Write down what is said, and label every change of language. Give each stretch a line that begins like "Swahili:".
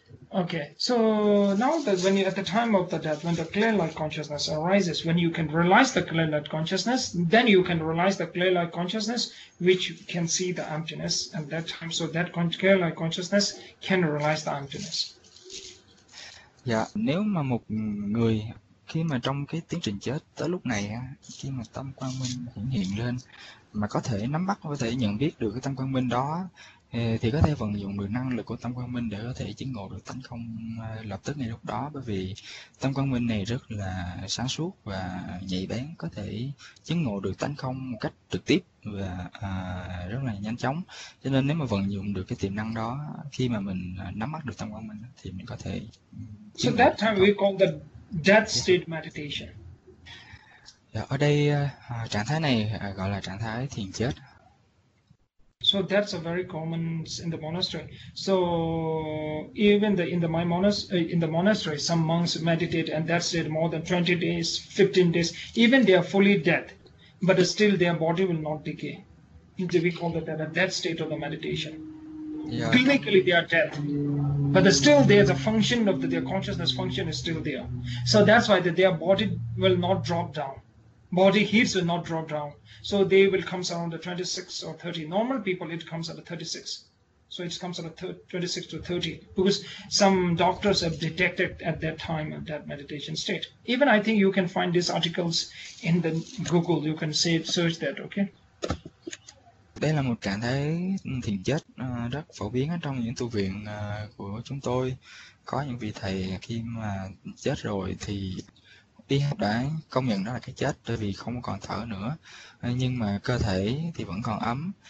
English: Okay, so now that when you at the time of the death, when the clear light consciousness arises, when you can realize the clear light consciousness, then you can realize the clear light consciousness which can see the emptiness at that time. So that clear light consciousness can realize the emptiness.
Vietnamese: Yeah, nếu mà một người khi mà trong cái tiến trình chết tới lúc này, khi mà tâm quang minh hiển hiện lên, mà có thể nắm bắt, có thể nhận biết được cái tâm quang minh đó, thì có thể vận dụng được năng lực của tâm quang minh để có thể chứng ngộ được tánh không lập tức ngay lúc đó, bởi vì tâm quang minh này rất là sáng suốt và nhạy bén, có thể chứng ngộ được tánh không một cách trực tiếp và rất là nhanh chóng. Cho nên nếu mà vận dụng được cái tiềm năng đó, khi mà mình nắm bắt được tâm quang minh thì mình có thể chứng ngộ.
English: So that time we call the death state meditation.
Vietnamese: Ở đây trạng thái này gọi là trạng thái thiền chết.
English: So that's a very common in the monastery. So even the in the monastery, some monks meditate and that's it more than 20 days, 15 days. Even they are fully dead, but still their body will not decay. We call that a dead state of the meditation. Yeah. Clinically they are dead, but still there's a function of their consciousness function is still there. So that's why their body will not drop down. Body heats will not drop down, so they will come around the 26 or 30. Normal people it comes at the 36, so it comes at the 26 to 30 because some doctors have detected at that time at that meditation state. Even I think you can find these articles in the Google. You can save search that. Okay.
Vietnamese: Đây là một trạng thái thiền chết rất phổ biến ở trong những tu viện của chúng tôi. Có những vị thầy khi mà chết rồi thì y học đã công nhận đó là cái chết bởi vì không còn thở nữa, nhưng mà cơ thể thì vẫn còn ấm.